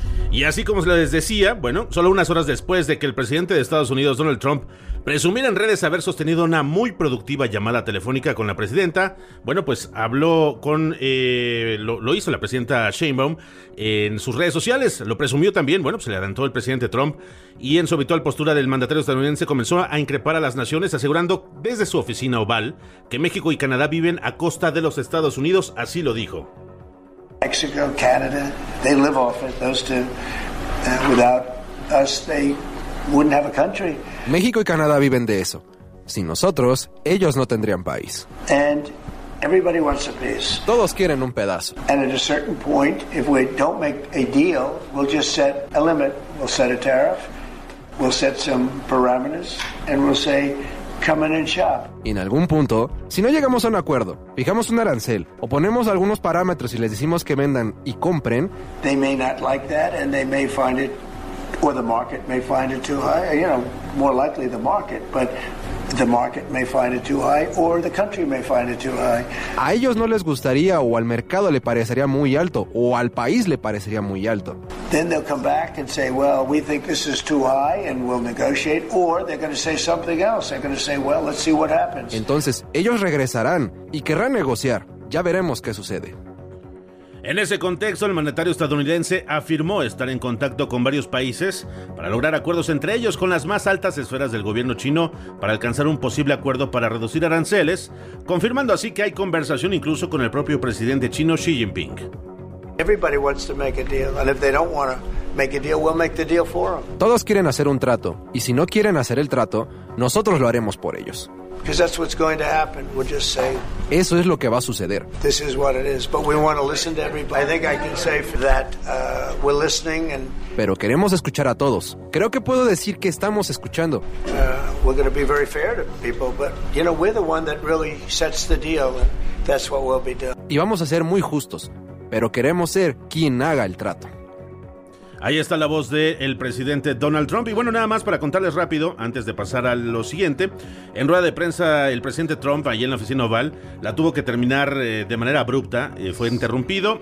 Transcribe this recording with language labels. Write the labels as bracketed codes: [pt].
[es] Y así como les decía, bueno, solo unas horas después de que el presidente de Estados Unidos, Donald Trump, presumiera en redes haber sostenido una muy productiva llamada telefónica con la presidenta, bueno, pues habló con, lo hizo la presidenta Sheinbaum en sus redes sociales, lo presumió también, bueno, pues se le adelantó el presidente Trump, y en su habitual postura del mandatario estadounidense comenzó a increpar a las naciones, asegurando desde su oficina oval que México y Canadá viven a costa de los Estados Unidos, así lo dijo. [en] Mexico, Canada, they live off it, those two. Without us, they wouldn't have a country. [es] México y Canadá viven de eso. Sin nosotros, ellos no tendrían país. [en] And everybody wants a piece. [es] Todos quieren un pedazo. [en] And at a certain point, if we don't make a deal, we'll just set a limit. We'll set a tariff. We'll set some parameters. And we'll say, come in and shop. [es] Y en algún punto, si no llegamos a un acuerdo, fijamos un arancel o ponemos algunos parámetros y les decimos que vendan y compren, [en] they may not like that and they may find it, or the market may find it too high, you know, more likely the market, but the market may find it too high or the country may find it too high. [es] A ellos no les gustaría, o al mercado le parecería muy alto, o al país le parecería muy alto. [en] Then they'll come back and say, well, we think this is too high and we'll negotiate, or they're going to say something else. They're going to say, well, let's see what happens. [es] Entonces, ellos regresarán y querrán negociar. Ya veremos qué sucede. En ese contexto, el mandatario estadounidense afirmó estar en contacto con varios países para lograr acuerdos, entre ellos con las más altas esferas del gobierno chino, para alcanzar un posible acuerdo para reducir aranceles, confirmando así que hay conversación incluso con el propio presidente chino Xi Jinping. [en] Everybody wants to make a deal, and if they don't want to make a deal, we'll make the deal for them. [es] Todos quieren hacer un trato, y si no quieren hacer el trato, nosotros lo haremos por ellos. [en] Because that's what's going to happen. We'll just say. [es] Eso es lo que va a suceder. [en] This is what it is. But we want to listen to everybody. I think I can say for that we're listening. And. [es] Pero queremos escuchar a todos. Creo que puedo decir que estamos escuchando. [en] We're going to be very fair to people, but you know we're the one that really sets the deal, and that's what we'll be doing. [es] Y vamos a ser muy justos, pero queremos ser quien haga el trato. Ahí está la voz del presidente Donald Trump. Y bueno, nada más para contarles rápido, antes de pasar a lo siguiente. En rueda de prensa, el presidente Trump, allí en la oficina Oval, la tuvo que terminar de manera abrupta. Fue interrumpido.